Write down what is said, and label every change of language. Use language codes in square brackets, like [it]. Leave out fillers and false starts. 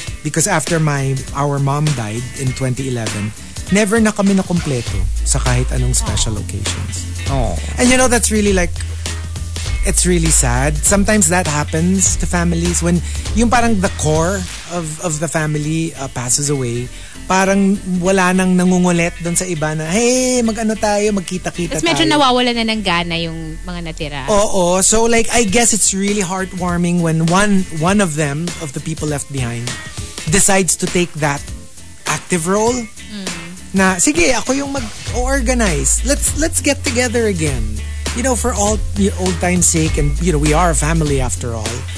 [en] Because after our mom died in 2011, never [tl] na kami nakompleto sa kahit anong [en] special occasions. Aww. And you know, that's really like... It's really sad. Sometimes that happens to families when [tl] yung parang [en] the core of the family passes away. [tl] parang wala nang nangungulit doon sa iba na, hey, mag-ano tayo, magkita-kita tayo. Tapos medyo nawawala na ng gana yung mga natira. Oo. [en] So like, I guess it's really heartwarming when one of them, of the people left behind, decides to take that active role. Mm. [tl] Na, sige, ako yung mag-organize. [en] Let's get together again. You know, for all old time's sake, and you know, we are a family after all.